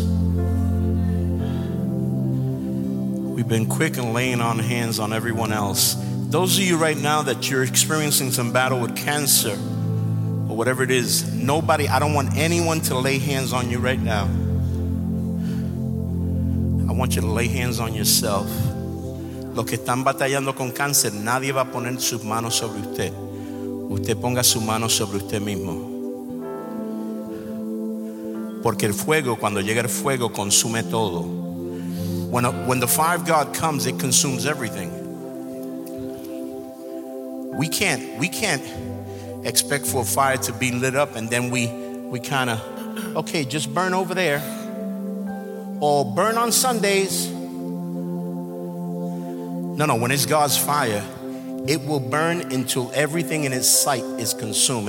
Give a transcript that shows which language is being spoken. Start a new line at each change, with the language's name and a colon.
English: We've been quick and laying on hands on everyone else. Those of you right now that you're experiencing some battle with cancer or whatever it is, nobody, I don't want anyone to lay hands on you right now. I want you to lay hands on yourself.
Spanish: Los que están batallando con cáncer, nadie va a poner sus manos sobre usted. Usted ponga su mano sobre usted mismo. Porque el fuego, cuando llega el fuego, consume todo.
English: When the fire of God comes, it consumes everything. We can't expect for a fire to be lit up and then we kind of, okay, just burn over there. Or burn on Sundays. No, when it's God's fire, it will burn until everything in its sight is consumed.